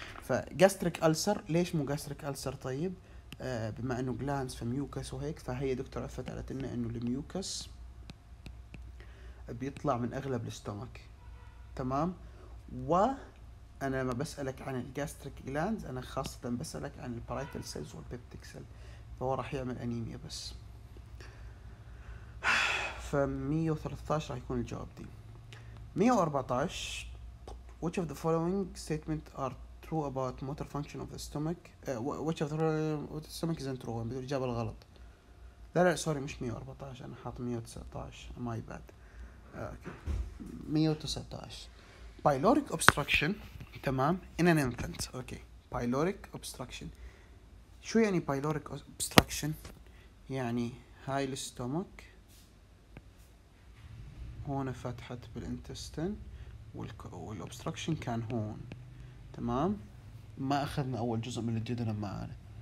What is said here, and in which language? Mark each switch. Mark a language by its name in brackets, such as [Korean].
[Arabic] فجاستريك السر ليش مو جاستريك السر؟ طيب بما انه جلاندز فميوكس وهيك، فهي دكتور عفت قالت لنا انه الميوكس بيطلع من اغلب الاستومك تمام. وانا لما بسالك عن الجاستريك جلاندز انا خاصه بسالك عن البارايتال سيلز والبيبتيك سيل، فهو راح يعمل انيميا بس. ف 113 راح يكون الجواب دي. [English] 114 which of the following statement are true about motor function of the stomach which of the stomach isn't true. [Arabic] بده الاجابه الغلط. لا سوري مش 114 انا حاط 119 [English] My bad. Okay 119 pyloric obstruction تمام in an infant. [Arabic] اوكي بايلوريك اوبستراكشن شو يعني بايلوريك اوبستراكشن؟ يعني هاي الاستومك هون فتحت بالانتستين والاوبستراكشن كان هون تمام، ما اخذنا اول جزء من الديودينم معنا.